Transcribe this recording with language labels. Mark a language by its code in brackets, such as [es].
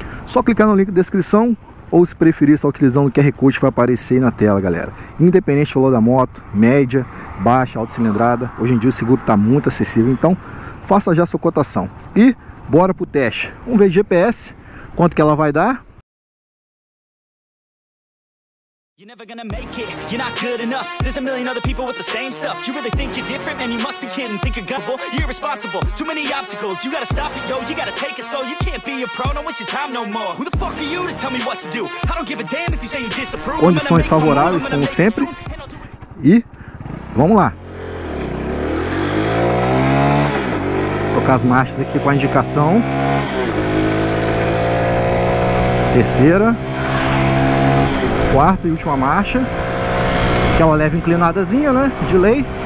[pt] Só clicar no link da descrição ou, se preferir, estar utilizando o QR Code, vai aparecer aí na tela, galera. Independente do valor da moto, média, baixa, alta cilindrada, hoje em dia o seguro está muito acessível, então faça já a sua cotação. E bora pro teste. Vamos ver GPS, quanto que ela vai dar. [en] You're never gonna make it, you're not good enough. There's a million other people with the same stuff. You really think you're different, man, you must be kidding. Think you're gullible, you're irresponsible. Too many obstacles, you gotta stop it, yo. You gotta take it slow, you can't be a pro. Don't waste your time no more. Who the fuck are you to tell me what to do? I don't give a damn if you say you disapprove. [pt] Condições favoráveis, como sempre. E vamos lá. Tocar as marchas aqui com a indicação. Terceira, quarta e última marcha, que é uma leve inclinadazinha, né, de lei.